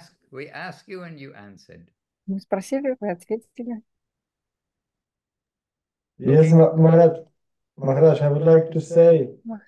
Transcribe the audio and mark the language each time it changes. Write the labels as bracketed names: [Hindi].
[English] We ask you and you answered. [Russian] Мы спросили, вы ответили. [English] Yes, Maharaj, I would like to say.